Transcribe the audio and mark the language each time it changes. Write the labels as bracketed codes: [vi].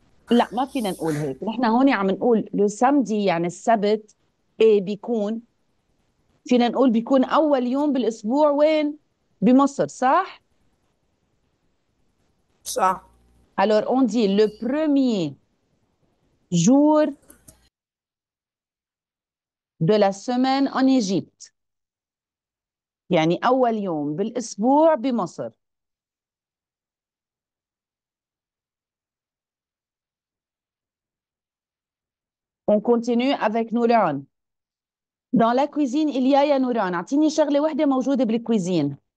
[ar] لا، ما فينا نقول هيك، نحن هون عم نقول [fr] لو سامدي [ar] يعني السبت. ايه بيكون؟ فينا نقول بيكون أول يوم بالأسبوع وين؟ بمصر، صح؟ صح. [fr] Alors on dit le premier jour de la semaine en Égypte. [ar] يعني أول يوم بالأسبوع بمصر. [fr] On continue avec نوران. Dans la cuisine, il y a يا نوران. [ar] أعطيني شغلة واحدة موجودة بالكويزين.